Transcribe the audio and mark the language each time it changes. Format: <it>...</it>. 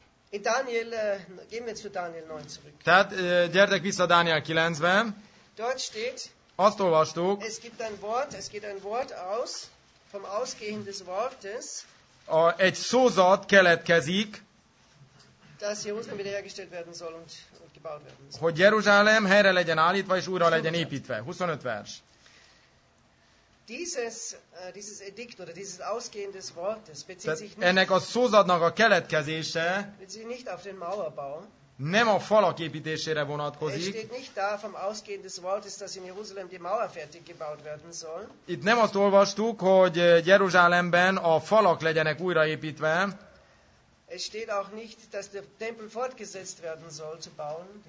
<de>In Daniel, gehen wir zu Daniel 9 zurück.</de> <hu>Tehát gyertek vissza Daniel 9-be.</hu> <de>Dort steht,</de> <hu>azt olvastuk,</hu> <de>es gibt ein Wort, es geht ein Wort aus, vom Ausgehen des Wortes,</de> <hu>egy szózat keletkezik,</hu> <de>dass Jerusalem wiederhergestellt werden soll und gebaut werden soll.</de> <hu>Hogy Jeruzsálem helyre legyen állítva és újra legyen építve. 25 vers.</hu> <de>Dieses Edikt oder dieses Ausgehen des Wortes bezieht sich nicht</de> <hu>ennek a szózatnak a keletkezése</hu> <de>nicht auf den Mauerbau,</de> <hu>nem a falak építésére vonatkozik.</hu> <de>Es steht nicht da vom Ausgehen des Wortes, dass in Jerusalem die Mauer fertig gebaut werden soll.</de> <hu>Itt nem azt olvastuk, hogy Jeruzsálemben a falak legyenek újraépítve.</hu> <de>Es steht auch nicht, dass der Tempel fortgesetzt werden soll zu bauen.</de>